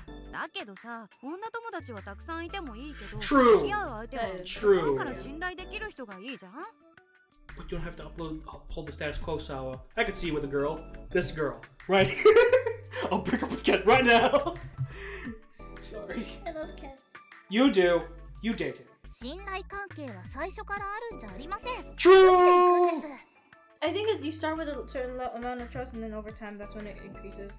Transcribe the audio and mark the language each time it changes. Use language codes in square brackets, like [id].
[ja] だけどさ、女友達はたくさんいてもいいけど、 [en] True. [ja] 付き合う相手は [en] True. [ja] 心から信頼できる人がいいじゃん。 [en] But you don't have to uphold the status quo, Sawa. I could see you with a girl. This girl. Right? I'll break up with Ken right now. Sorry. I love Ken. You do. You date him. [ja] 信頼関係は最初からあるんじゃありません。 [en] True! I think that you start with a certain amount of trust and then over time that's when it increases.